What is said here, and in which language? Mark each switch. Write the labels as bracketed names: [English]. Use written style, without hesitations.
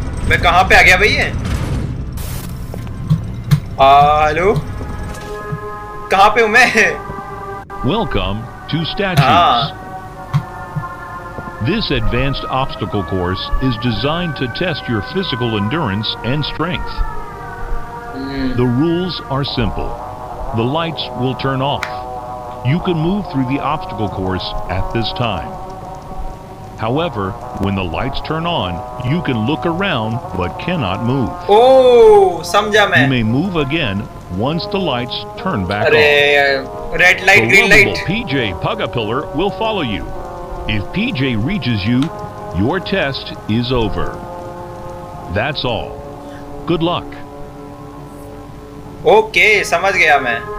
[Hindi] मैं कहां पे आ गया भाई? है हेलो, कहां पे हूं मैं? [English] Welcome to statues. This advanced obstacle course is design to test your physical endurance and strength. The rules are simple. The lights will turn off. You can move through the obstacle course at this time. However, when the lights turn on, you can look around but cannot move. [Hindi] Oh, samjha main. [English] You may move again once the lights turn back on. Red light, the green light. PJ Pugapillar will follow you. If PJ reaches you, your test is over. That's all. Good luck. [Hindi] Okay okay, समझ गया मैं।